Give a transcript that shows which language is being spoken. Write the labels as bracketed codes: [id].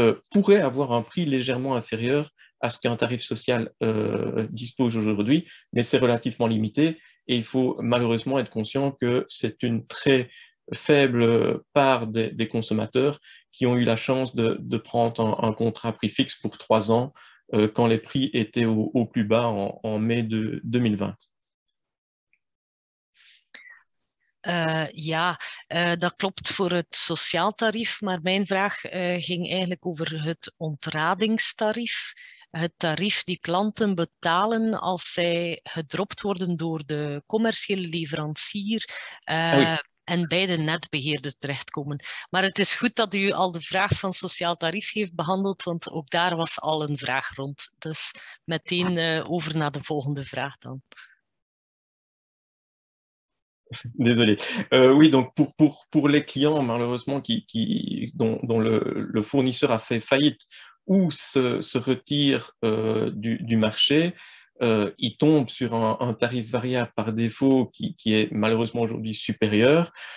[fr] pourrait avoir un prix légèrement inférieur à ce qu'un tarif social dispose aujourd'hui, mais c'est relativement limité et il faut malheureusement être conscient que c'est une très faible part des consommateurs qui ont eu la chance de prendre un contrat prix fixe pour 3 ans quand les prix étaient au plus bas en mai de 2020. [nl] Dat klopt voor het sociaal tarief, maar mijn vraag ging eigenlijk over het ontradingstarief. Het tarief die klanten betalen als zij gedropt worden door de commerciële leverancier en bij de netbeheerder terechtkomen. Maar het is goed dat u al de vraag van sociaal tarief heeft behandeld, want ook daar was al een vraag rond. Dus meteen over naar de volgende vraag dan. [fr] Désolé. Oui, donc pour les clients, malheureusement, dont le fournisseur a fait faillite ou se retire du marché, il tombe sur un tarif variable par défaut qui est malheureusement aujourd'hui supérieur.